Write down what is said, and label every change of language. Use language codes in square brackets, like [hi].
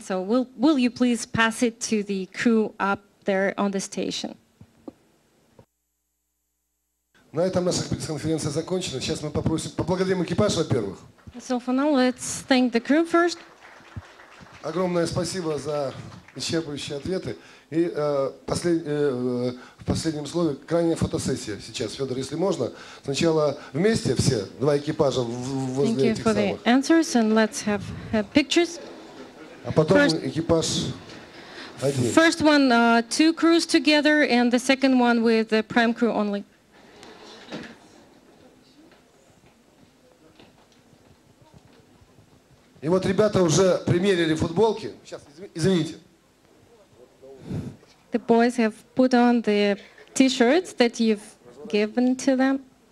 [en] So will you please pass it to the crew up there on the station? [ru] На этом наша пресс-конференция закончена. Сейчас мы попросим поблагодарим экипаж, во-первых. [en] So for now, let's thank the crew first. [ru] Огромное спасибо за исчерпывающие ответы. И в последнем слове крайняя фотосессия сейчас, Федор, если можно. Сначала вместе все, два экипажа возле этих самых. [en] Thank you for the answers and let's have pictures. [ru] А потом [en] first, [ru] экипаж один. [en] First one, two crews together and the second one with the prime crew only. [ru] И вот ребята уже примерили футболки. Сейчас, извините. [en] The boys have put on the t-shirts that you've given to them.